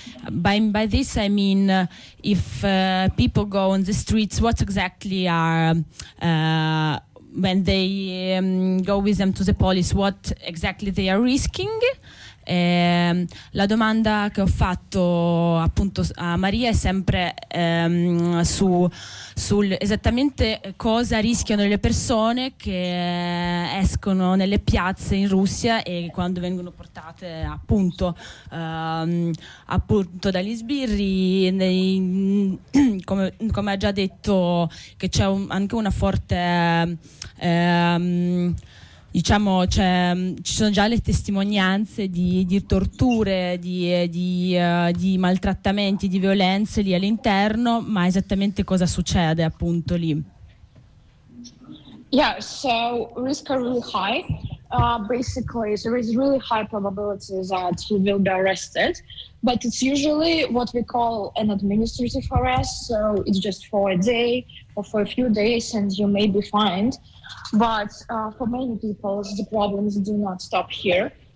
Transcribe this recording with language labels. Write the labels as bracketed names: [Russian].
[English] By this I mean, if people go on the streets, what exactly are when they go with them to the police, what exactly they are risking? [Italian] La domanda che ho fatto appunto a Maria è sempre sul esattamente cosa rischiano le persone che escono nelle piazze in Russia e quando vengono portate appunto appunto dagli sbirri, come ha già detto, che c'è anche una forte diciamo, cioè, ci sono già le testimonianze di torture, di maltrattamenti, di violenze lì all'interno, ma esattamente cosa succede appunto lì? [English] Yeah, so risk are really high. Basically, there is really high probability that you will be arrested, but it's usually what we call an administrative arrest, so it's just for a day or for a few days and you may be fined. But for many people, the problems do not stop here.